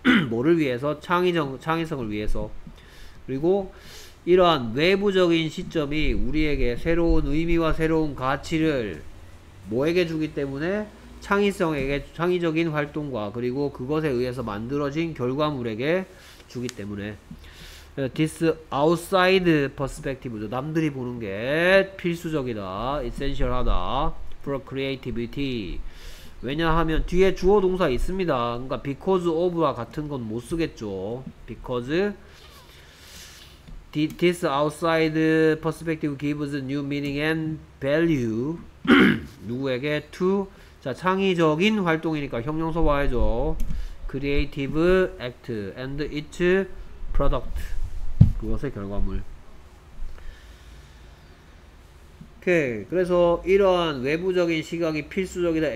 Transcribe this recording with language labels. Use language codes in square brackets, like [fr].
[ko] 뭐를 위해서? 창의성을 위해서. 그리고 이러한 외부적인 시점이 우리에게 새로운 의미와 새로운 가치를 뭐에게 주기 때문에 창의성에게, 창의적인 활동과 그리고 그것에 의해서 만들어진 결과물에게 주기 때문에 [en] This outside perspective [ko] 죠. 남들이 보는 게 필수적이다. [en] Essential하다. For creativity. [ko] 왜냐하면 뒤에 주어 동사 있습니다. 그러니까 because of와 같은 건 못 쓰겠죠. [en] Because this outside perspective gives new meaning and value. [ko] 누구에게? To 자 창의적인 활동이니까 형용사 봐야죠. [en] Creative act and its product. [ko] 그것의 결과물. 오케이. 그래서 이러한 외부적인 시각이 필수적이다.